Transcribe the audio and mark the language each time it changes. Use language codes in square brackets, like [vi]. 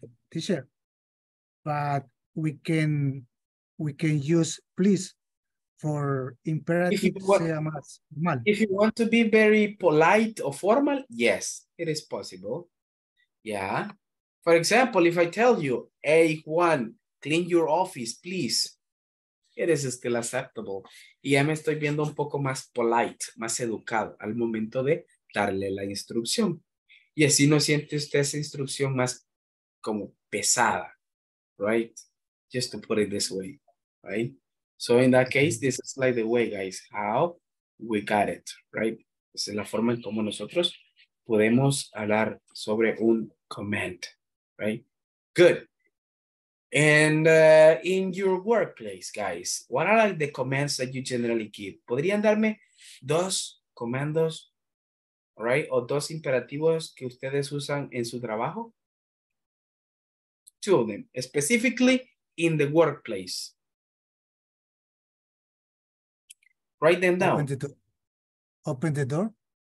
[en] Teacher, but we can use please for imperative. If you want to be very polite or formal, yes, it is possible. Yeah. For example, if I tell you, hey Juan, clean your office, please. it is still acceptable. [es] Y ya me estoy viendo un poco más [en] polite, [es] más educado al momento de darle la instrucción. Y así no siente usted esa instrucción más como pesada, [en] right? Just to put it this way, right? So in that case, this is like the way, guys, how we got it, right? [es] Esa es la forma en cómo nosotros podemos hablar sobre un [en] comment, right? Good. And in your workplace, guys, what are the commands that you generally give? [es] ¿Podrían darme dos comandos, [en] right? [es] O dos imperativos que ustedes usan en su trabajo? [en] Two of them, specifically in the workplace. Write them down. Open the door.